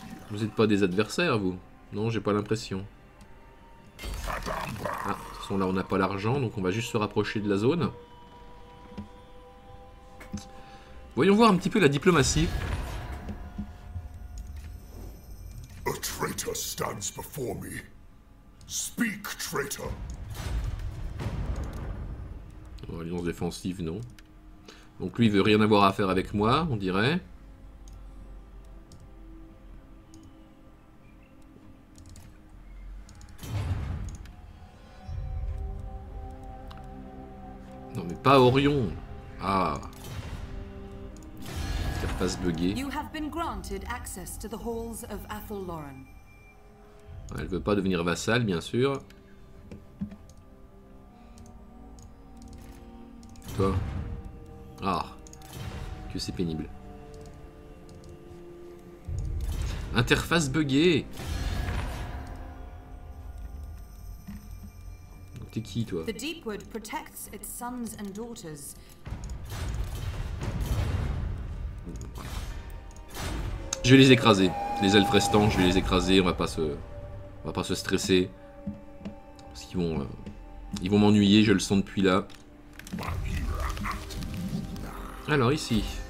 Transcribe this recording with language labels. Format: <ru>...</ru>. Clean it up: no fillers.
<fr>Vous n'êtes pas des adversaires, vous? Non, j'ai pas l'impression. Ah, de toute façon, là, on n'a pas l'argent, donc on va juste se rapprocher de la zone. Voyons voir un petit peu la diplomatie.</fr> <en>A traitor stands before me. Speak, traitor.</en> <fr>Oh, alliance défensive, non. Donc lui, il veut rien avoir à faire avec moi, on dirait. Non, mais pas Orion. Ah.</fr> <en>You have been granted access to the halls of Athel Lauren.</en> <fr>Elle veut pas devenir vassale, bien sûr. Toi. Ah. Que c'est pénible. Interface buggée. Donc t'es qui, toi?</fr> <en>The Deepwood protects its sons and daughters.</en> <fr>Je vais les écraser, les elfes restants, je vais les écraser, on va pas se stresser. Parce qu'ils vont m'ennuyer, je le sens depuis là. Alors ici.</fr>